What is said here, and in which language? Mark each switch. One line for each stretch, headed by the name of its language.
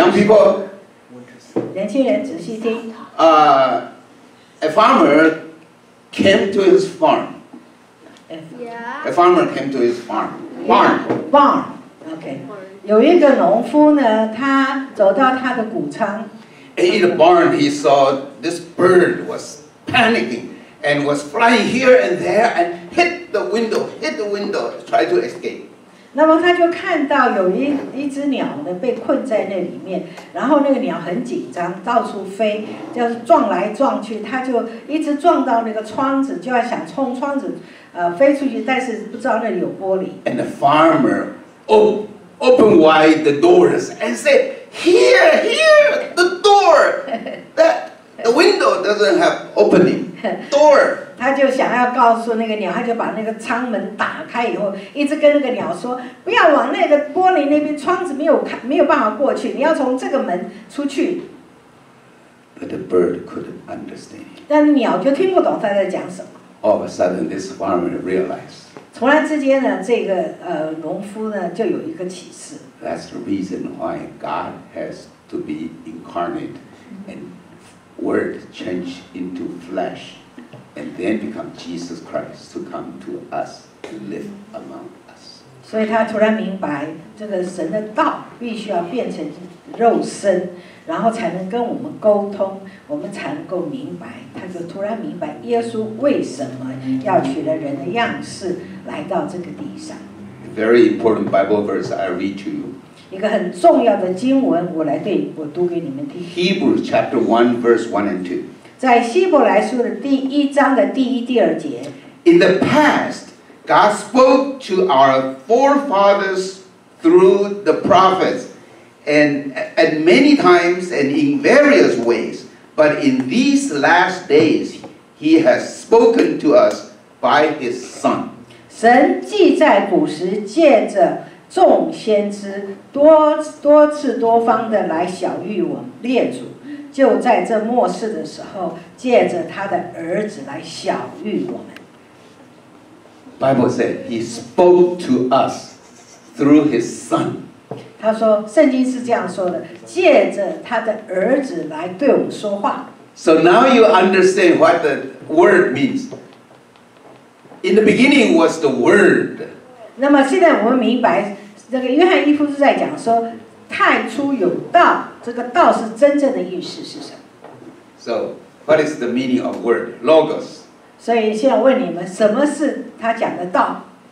English: Young people
Chinese: 年轻人仔细听、
English: A farmer came to his farm、 yeah. A farmer came to his farm
Chinese: OK有一个农夫呢，他走到他的谷仓。
English: And in the barn, he saw this bird was panicking and was flying here and there and hit the window, try to escape.
Chinese: 那么他就看到有一只鸟呢被困在那里面，然后那个鸟很紧张，到处飞，就是撞来撞去，他就一直撞到那个窗子，就要想冲窗子，飞出去，但是不知道那里有玻璃。
English: And the farmer, open wide the doors and say, here, the door, that the window doesn't have opening, door.
Chinese: 他就想要告诉那个鸟，他就把那个舱门打开以后，一直跟那个鸟说，不要往那个玻璃那边，窗子没有办法过去，你要从这个门出去。
English: But the bird couldn't understand.
Chinese: 但鸟就听不懂他在讲什么。
English: All of a sudden, this farmer realized.
Chinese: 突然之间呢，这个农夫呢就有一个启示。
English: That's the reason why God has to be incarnate and word change into flesh and then become Jesus Christ to come to us to live among us.
Chinese: 所以他突然明白，这个神的道必须要变成肉身，然后才能跟我们沟通，我们才能够明白。他就突然明白耶稣为什么要取了人的样式。来到这个地上。
English: Very important Bible verse I read to you.
Chinese: 一个很重要的经文，我读给你们听。
English: Hebrews chapter 1 verse 1 and 2.
Chinese: 在希伯来书的第一章的第一、第二节。
English: In the past, God spoke to our forefathers through the prophets, and at many times and in various ways. But in these last days, He has spoken to us by His Son.
Chinese: 神既在古时借着众先知多次多方的来晓谕我们列祖，就在这末世的时候借着他的儿子来晓谕我们。
English: Bible said he spoke to us through his son.
Chinese: 他说圣经是这样说的，借着他的儿子来对我们说话。
English: So now you understand what the word means. In the beginning was the Word.
Chinese: 那么现在我们明白，那个约翰一书是在讲说，太初有道，这个道是真正的意思是什么
English: ？So, what is the meaning of Word? Logos.
Chinese: 所以现在问你们，什么是他讲的道